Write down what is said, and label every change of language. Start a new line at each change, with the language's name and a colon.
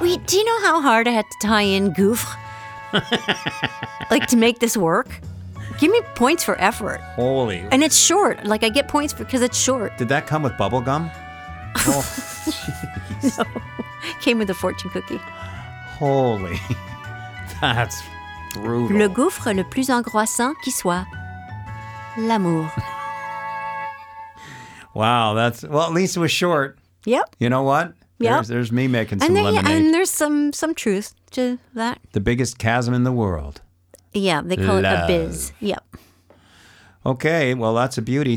English: Wait, do you know how hard I had to tie in Gouffre? Like, to make this work? Give me points for effort. Holy. And it's short. Like, I get points because it's short. Did that come with bubble gum? Oh, jeez. No. Came with a fortune cookie. Holy. That's brutal.
French: Le gouffre le plus angoissant qui soit. L'amour.
English: Wow, that's, well, at least it was short. Yep. You know what? Yep. There's me making some lemonade. And there's some truth to that. The biggest chasm in the world. Yeah, they call love. It a biz. Yep. Okay, well, that's a beauty.